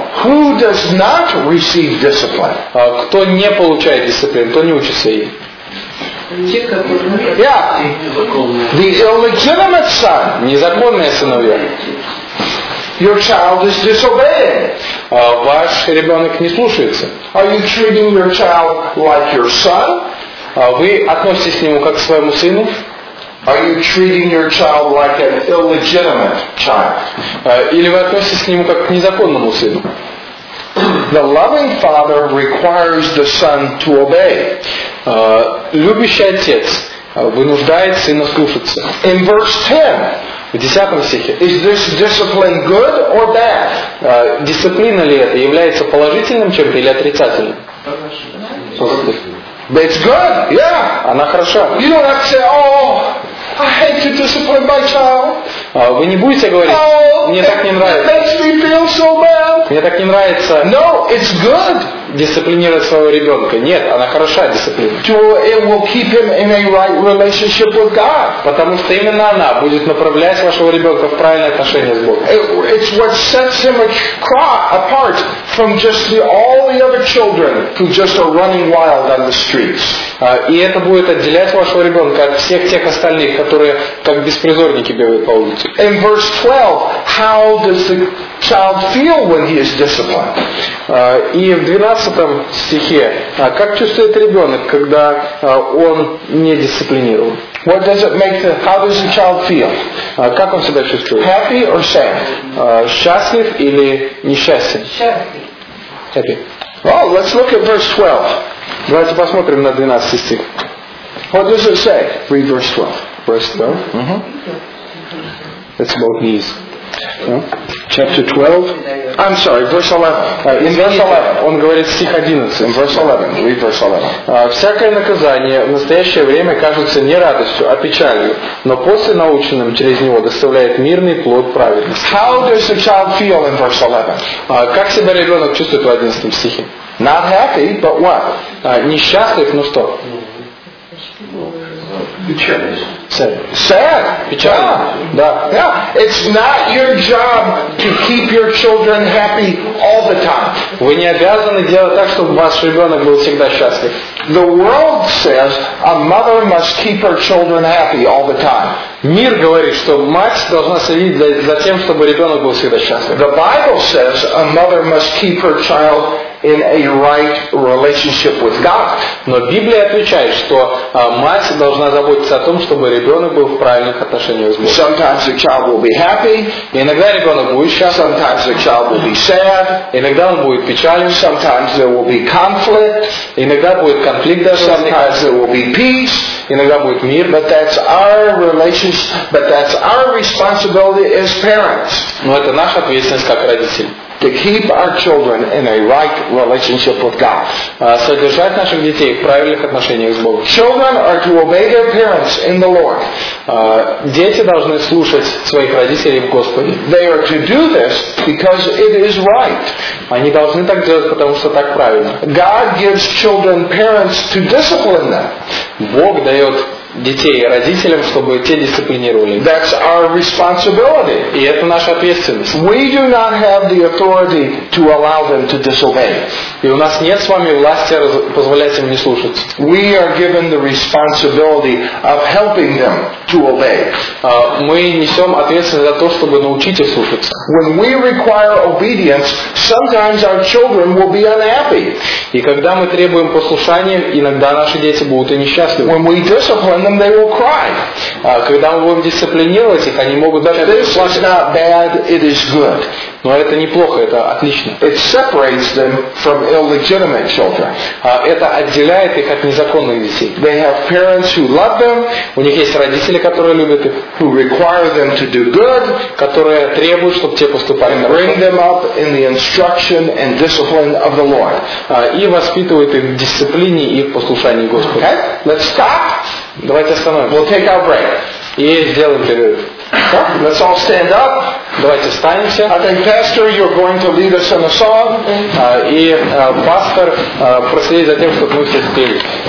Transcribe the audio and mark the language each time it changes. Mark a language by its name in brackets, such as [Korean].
[English] Who does not receive discipline? [Russian] Кто не получает дисциплину, то не учится ей. [English] Yeah. The illegitimate son. [Russian] Незаконные сыновья. [English] Your child is disobeying. [Russian] Ваш ребенок не слушается. [English] Are you treating your child like your son? [Russian] Вы относитесь к нему как к своему сыну? [English] Are you treating your child like an illegitimate child? [Russian] Или вы относитесь к нему как к незаконному сыну? [English] The loving father requires the son to obey. [Russian] Любящий отец вынуждает сына слушаться. [English] In verse 10, [Russian] в 10 стихе, [English] is this discipline good or bad? [Russian] Дисциплина ли это является положительным чем-то или отрицательным? [English] But it's good, yeah. [Russian] Она хороша. [English] You don't have to say, oh, I hate to discipline my child. [Russian] Вы не будете говорить, мне так не нравится. [English] It makes me feel so bad. [Russian] Мне так не нравится. [English] No, it's good. [Russian] Дисциплинировать своего ребенка. Нет, она хороша дисциплина. [English] To, it will keep him in a right relationship with God. [Russian] Потому что именно она будет направлять вашего ребенка в правильное отношение с Богом. [English] It's what sets him apart from just all the other children who just are running wild on the streets. [Russian] И это будет отделять вашего ребенка от всех тех остальных, которые как беспризорники бегают по улице. [English] In verse 12, how does the child feel when he is disciplined? [Russian] И в 12 стихе, как чувствует ребенок, когда он не дисциплинирован? [English] What does it make the, how does the child feel? [Russian] Как он себя чувствует? [English] Happy or sad? [Russian] Счастлив или несчастен? [English] Happy. Well, let's look at verse 12. [Russian] Давайте посмотрим на 12 стих. [English] What does it say? Read verse 12. Verse 12? Mm-hmm. It's about knees. Chapter 12. I'm sorry, verse 11. In verse 11. [Russian] Он говорит стих 11. [English] In verse 11. Read verse 11. [Russian] Всякое наказание в настоящее время кажется не радостью, а печалью, но после наученным через него доставляет мирный плод праведности. [English] How does the child feel in verse 11? [Russian] Как себя ребенок чувствует в 11 стихе? [English] Not happy, but what? [Russian] Несчастлив, но что? [English] Sad. [Russian] Печально. Да. [English] Yeah. It's not your job to keep your children happy all the time. [Russian] Вы не обязаны делать так, чтобы ваш ребенок был всегда счастлив. [English] The world says a mother must keep her children happy all the time. [Russian] Мир говорит, что мать должна следить за тем, чтобы ребенок был всегда счастлив. [English] The Bible says a mother must keep her child in a right relationship with God. [Russian] Но Библия отвечает, что мать должна заботиться о том, чтобы ребенок был в правильных отношениях с Богом. [English] Sometimes the child will be happy. [Russian] Иногда ребенок будет счастлив. [English] Sometimes the child will be sad. [Russian] Иногда он будет печален. [English] Sometimes there will be conflict. [Russian] Иногда будет конфликт. [English] Sometimes there will be peace. [Russian] Иногда будет мир. [English] But that's our relationship. But that's our responsibility as parents. [Russian] Но это наша ответственность как родителей. [English] to keep our children in a right relationship with God. [Russian] Содержать наших детей в правильных отношениях с Богом. [English] Children are to obey their parents in the Lord. [Russian] Дети должны слушать своих родителей в Господе. [English] They are to do this because it is right. [Russian] Они должны так делать, потому что так правильно. [English] God gives children parents to discipline them. [Russian] Бог дает детей родителям, чтобы те дисциплинировали. [English] That's our responsibility. [Russian] И это наша ответственность. [English] We do not have the authority to allow them to disobey. [Russian] И у нас нет с вами власти позволять им не слушаться. [English] We are given the responsibility of helping them to obey. [Russian] Мы несем ответственность за то, чтобы научить их слушаться. [English] When we require obedience, sometimes our children will be unhappy. [Russian] И когда мы требуем послушания, иногда наши дети будут и несчастливы. [English] When we discipline, and then they will cry. [Russian] Когда мы будем дисциплинировать их, они могут даже плакать. [English] This is not bad, it is good. [Russian] Но это неплохо, это отлично. [English] It separates them from illegitimate children. [Russian] Это отделяет их от незаконных детей. [English] They have parents who love them. [Russian] У них есть родители, которые любят их. [English] Who require them to do good. [Russian] Которые требуют, чтобы те поступали хорошо. [English] Bring them up in the instruction and discipline of the Lord. [Russian] И воспитывают их в дисциплине и в послушании Господу. [English] Okay? Let's stop. [Russian] Давайте остановимся. [English] We'll take our break. [Russian] И сделаем перерыв. [English] Okay. Let's all stand up. [Russian] Давайте встанемся. [English] I think, Pastor, you're going to lead us in a song. [Russian] И пастор проследит за тем, чтобы мы все спели.